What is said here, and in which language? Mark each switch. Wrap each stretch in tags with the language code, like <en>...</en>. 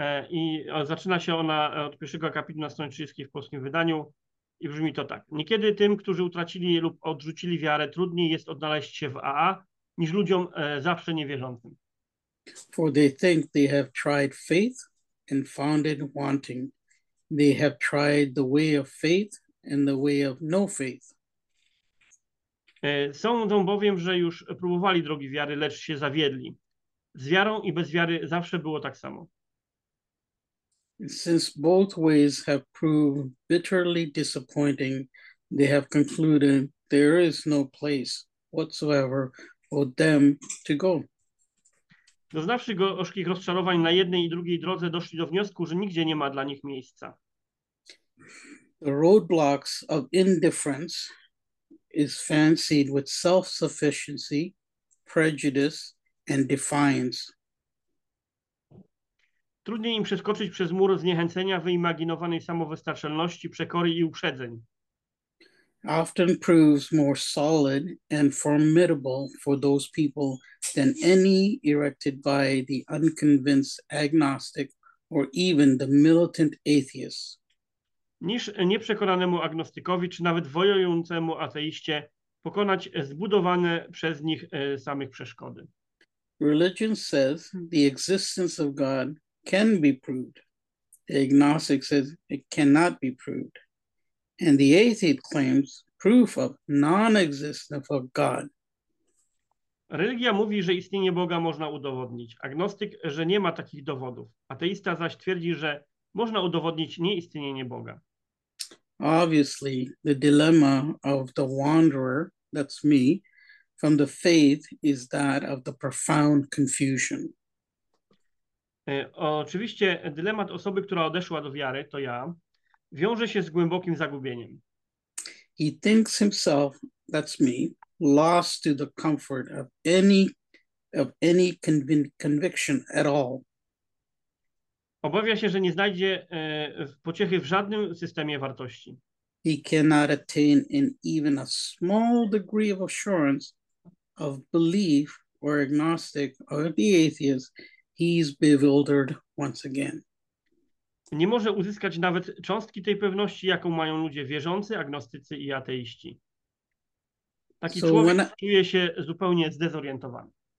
<pl>I zaczyna się ona od pierwszego akapitu na stronie 30 w polskim wydaniu i brzmi to tak. Niekiedy tym, którzy utracili lub odrzucili wiarę, trudniej jest odnaleźć się w AA niż ludziom zawsze niewierzącym.</pl> <en>For they think they have tried faith and found it wanting. They have tried the way of faith and the way of no faith.</en> <pl>Sądzą bowiem, że już próbowali drogi wiary, lecz się zawiedli. Z wiarą i bez wiary zawsze było tak samo.</pl> <en>Since both ways have proved bitterly disappointing, they have concluded there is no place whatsoever for them to go.</en> <pl>Doznawszy gorzkich rozczarowań na jednej i drugiej drodze, doszli do wniosku, że nigdzie nie ma dla nich miejsca.</pl> <en>The roadblocks of indifference is fancied with self-sufficiency, prejudice and defiance.</en> <pl>Trudniej im przeskoczyć przez mur zniechęcenia, wyimaginowanej samowystarczalności, przekory i uprzedzeń.</pl> <en>Often proves more solid and formidable for those people than any erected by the unconvinced agnostic or even the militant atheist.</en> <pl>Niż nieprzekonanemu agnostykowi czy nawet wojującemu ateiście pokonać zbudowane przez nich samych przeszkody.</pl> <en>Religion says the existence of God can be proved. The agnostic says it cannot be proved. And the atheist claims proof of non-existence of God.</en> <pl>Religia mówi, że istnienie Boga można udowodnić. Agnostyk, że nie ma takich dowodów. Ateista zaś twierdzi, że można udowodnić nieistnienie Boga.</pl> <en>Obviously, the dilemma of the wanderer, that's me, from the faith is that of the profound confusion.</en> <pl>Oczywiście dylemat osoby, która odeszła do wiary, to ja, wiąże się z głębokim zagubieniem.</pl> <en>He thinks himself, that's me, lost to the comfort of any conviction at all.</en> <pl>Obawia się, że nie znajdzie pociechy w żadnym systemie wartości.</pl> <en>He cannot attain in even a small degree of assurance of belief or agnostic or the atheist. He's bewildered once again.</en> <pl>Nie może uzyskać nawet cząstki tej pewności, jaką mają ludzie wierzący, agnostycy i ateiści. Taki człowiek czuje się zupełnie zdezorientowany.</pl>